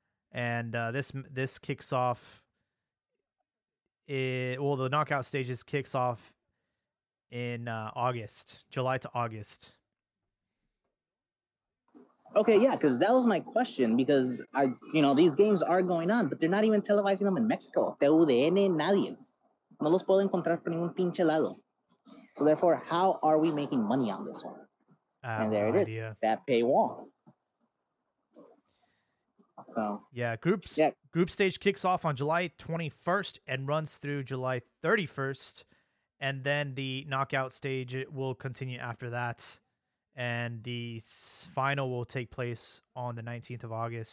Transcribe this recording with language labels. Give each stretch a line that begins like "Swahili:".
English: And this kicks off. The knockout stages kicks off in August, July to August. Okay, yeah, because that was my question. Because these games are going on, but they're not even televising them in Mexico.
Spanish: TUDN, nadie. No los puedo encontrar por ningún pinche lado.
English: So therefore, how are we making money on this one? And there it is. That paywall. So yeah, group stage kicks off on July 21st and runs through July 31st, and then the knockout stage will continue after that, and the final will take place on the 19th of August.